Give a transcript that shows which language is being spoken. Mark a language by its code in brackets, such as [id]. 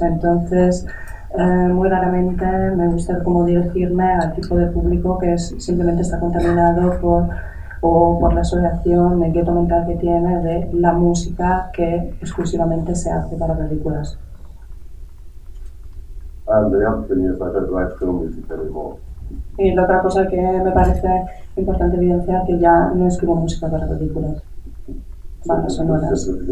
[es] Entonces, muy raramente me gusta como dirigirme al tipo de público que es, simplemente está contaminado por o por la asociación del ghetto mental que tiene de la música que exclusivamente se hace para películas. [en] And the other thing is, I don't write film music anymore. [es] Y la otra cosa que me parece importante evidenciar que ya no escribo música para películas. Bandas sonoras.